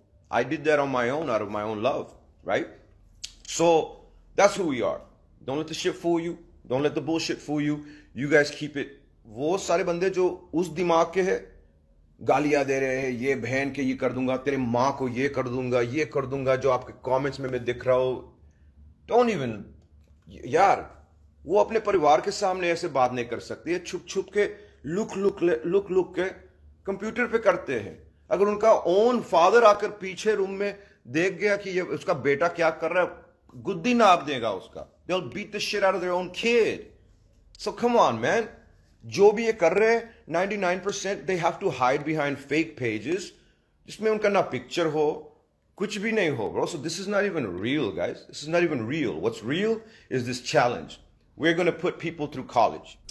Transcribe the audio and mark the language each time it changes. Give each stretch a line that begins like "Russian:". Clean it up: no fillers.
English: I did that on my own out of my own love, right? So that's who we are. Don't let the shit fool you. Don't let the bullshit fool you. You guys keep it.
Hindi: वो सारे बंदे जो उस दिमाग के हैं, गालियां दे रहे हैं, ये बहन के ये कर दूंगा, तेरे माँ को ये कर दूंगा, जो आपके कमेंट्स में मैं दिख रहा हूं,
English: don't even
Hindi: यार, वो अपने परिवार के सामने ऐसे बात नहीं कर सकते, ये छुप छुप के लुक लुक के कंप्यूटर पे करते हैं। अगर उनका ओन फादर आकर पीछे रूम में देख गया कि ये उसका बेटा क्या कर रहा है, गुद्दी नाप देगा उसका,
English: They will beat the shit out of their own kid. So come on, man.
Hindi: Jo bhi ye kar rahe,
English: 99% they have to hide behind fake pages.
Hindi: Jisme unka na picture ho, kuch bhi nahi ho,
English: bro. So this is not even real, guys. This is not even real. What's real is this challenge. We're going to put people through college.